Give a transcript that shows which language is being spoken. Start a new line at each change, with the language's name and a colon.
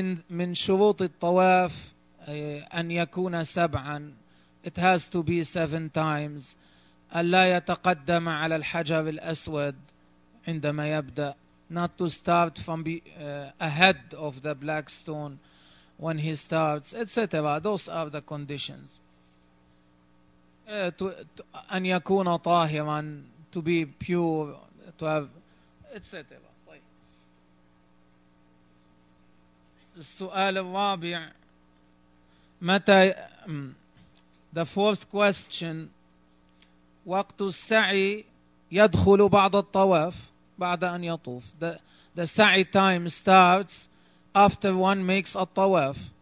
Arabic: من شروط الطواف أن يكون سبعا.
English: It has to be seven times.
Arabic: ألا يتقدم على الحجر الأسود عندما يبدأ.
English: Not to start from ahead of the black stone when he starts, etc. Those are the conditions.
Arabic: أن يكون طاهرا,
English: to be pure, to have, etc.
Arabic: طيب. السؤال الرابع: متى,
English: the fourth question,
Arabic: وقت السعي يدخل بعد الطواف بعد أن يطوف.
English: The سعي time starts after one makes الطواف.